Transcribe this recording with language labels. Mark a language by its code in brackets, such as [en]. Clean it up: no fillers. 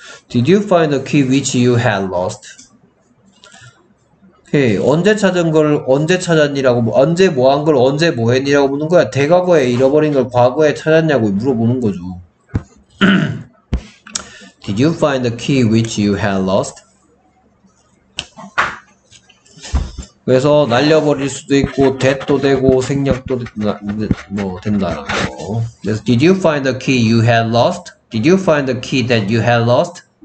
[en] Did you find the key which you had lost? Okay. [ko] 언제 찾은 걸 언제 찾았니라고 언제 뭐 한 걸 언제 뭐 했니라고 묻는 거야. 대과거에 잃어버린 걸 과거에 찾았냐고 물어보는 거죠. [en] Did you find the key which you had lost? [ko] 그래서 날려버릴 수도 있고 that도 되고 생략도 뭐 된다라고. 그래서 [en] Did you find the key you had lost? Did you find the key that you had lost?